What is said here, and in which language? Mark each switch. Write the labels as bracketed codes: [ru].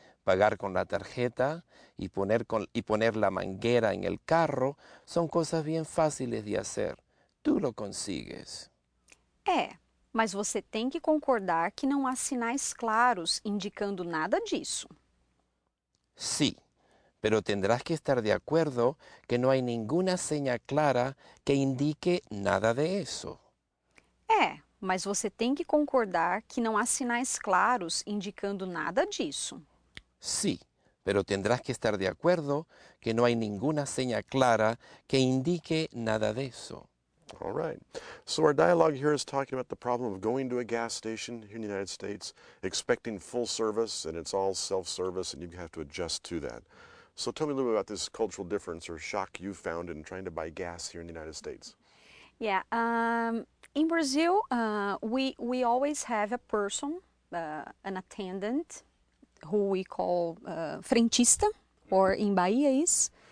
[pt] Pagar com a tarjeta e poner a mangueira em el carro são coisas bem fáceis de fazer. [es] Tu lo consigues. [pt] É, mas você tem que concordar que não há sinais claros indicando nada disso. Sim, [es] pero tendrás que estar de acuerdo que no hay ninguna señal clara que indique nada de eso. [pt] É, mas você tem que concordar que não há sinais claros indicando nada disso. [es] Sí, pero tendrás que estar de acuerdo que no hay ninguna señal clara que indique nada de eso. [en] All right. So our dialogue here is talking about the problem of going to a gas station here in the United States, expecting full service, and it's all self-service, and you have to adjust to that. So tell me a little bit about this cultural difference or shock you found in trying to buy gas here in the United States. Yeah. In Brazil, we always have a person, an attendant, who we call frentista, or in Bahia is...